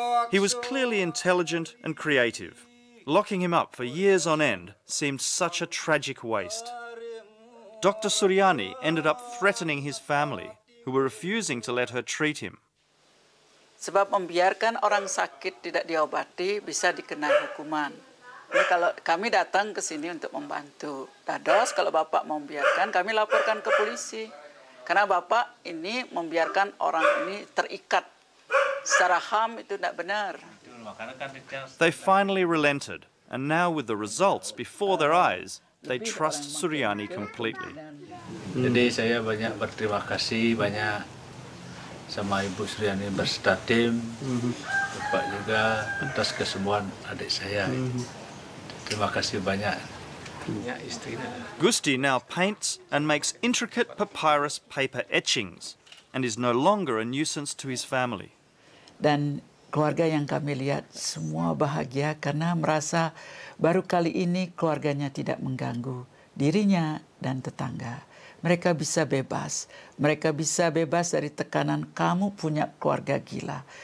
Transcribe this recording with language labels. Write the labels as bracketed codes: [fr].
[en] He was clearly intelligent and creative. Locking him up for years on end seemed such a tragic waste. Dr. Suryani ended up threatening his family, who were refusing to let her treat him. [id] Sebab membiarkan orang sakit tidak diobati bisa dikenai hukuman. Jadi kalau kami datang ke sini untuk membantu, dados kalau bapak mau biarkan, kami laporkan ke polisi. Karena bapak ini membiarkan orang ini terikat secara HAM itu tidak benar. [en] They finally relented, and now with the results before their eyes, they trust Suryani completely. [id] Jadi saya banyak berterima kasih banyak sama Ibu Suryani berserta tim, bapak juga atas kesembuhan adik saya. Terima kasih banyak. [en] Gusti now paints and makes intricate papyrus paper etchings and is no longer a nuisance to his family. [id] Dan keluarga yang kami lihat semua bahagia karena merasa baru kali ini keluarganya tidak mengganggu dirinya dan tetangga. Mereka bisa bebas. Mereka bisa bebas dari tekanan kamu punya keluarga gila.